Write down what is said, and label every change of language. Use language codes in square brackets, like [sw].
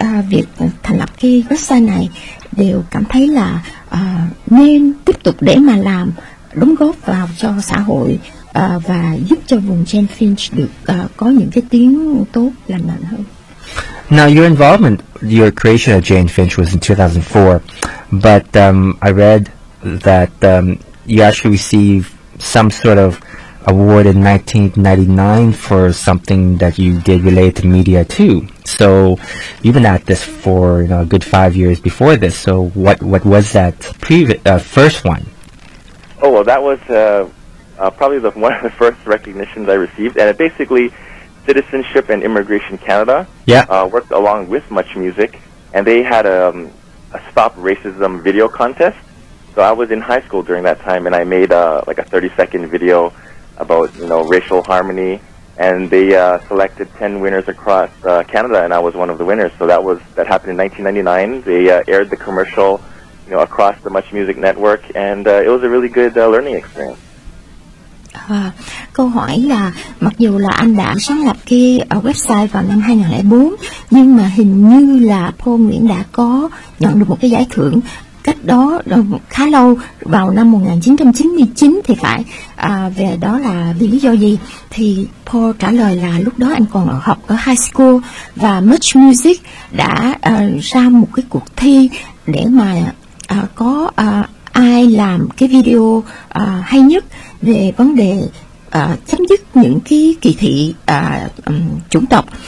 [vi] việc thành lập cái website này đều cảm thấy là nên tiếp tục để mà làm đóng góp vào cho xã hội và giúp cho vùng Jane Finch được có những cái tiếng tốt lành mạnh hơn. [en] Now your involvement, your creation of Jane Finch was in 2004, but I read that you actually received some sort of award in 1999 for something that you did related to media too. So you've been at this for, you know, a good 5 years before this. So what was that first one? Oh, well, that was probably one of the first recognitions I received. And it basically, Citizenship and Immigration Canada worked along with Much Music, and they had a Stop Racism video contest. So I was in high school during that time, and I made like a 30-second video about, you know, racial harmony, and they selected 10 winners across Canada, and I was one of the winners. So that happened in 1999. They aired the commercial, you know, across the Much Music Network, and it was a really good learning experience. [vi] Câu hỏi là mặc dù là anh đã sáng lập cái website vào năm 2004, nhưng mà hình như là Paul Nguyễn đã có nhận được một cái giải thưởng cách đó khá lâu, vào năm 1999 thì phải. Về đó là vì lý do gì? Thì Paul trả lời là lúc đó anh còn học ở high school, và Much Music đã ra một cái cuộc thi để mà có ai làm cái video hay nhất về vấn đề chấm dứt những cái kỳ thị chủng tộc.